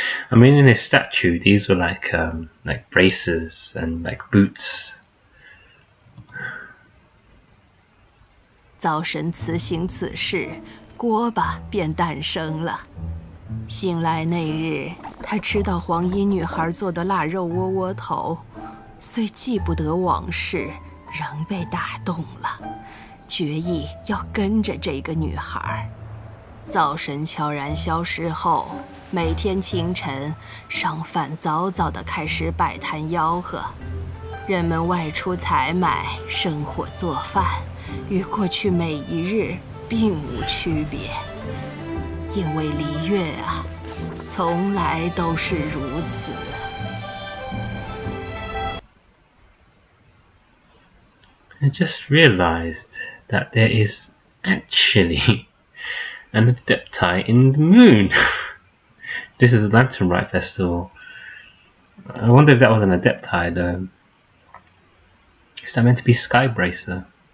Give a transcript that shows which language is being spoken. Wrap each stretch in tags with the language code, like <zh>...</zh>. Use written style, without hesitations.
<en>I mean, in his statue, these were like braces and like boots.</en> <zh>灶神此行此事，锅巴便诞生了。醒来那日，他吃到黄衣女孩做的腊肉窝窝头，虽记不得往事，仍被打动了，决意要跟着这个女孩。灶神悄然消失后，每天清晨，商贩早早地开始摆摊吆喝，人们外出采买，生火做饭，与过去每一日并无区别。因为离月啊，从来都是如此。</zh> <en>I just realized that there is actually an adepti in the moon. This is a lantern rite festival. I wonder if that was an adepti though. Is that meant to be Sky Bracer?</en>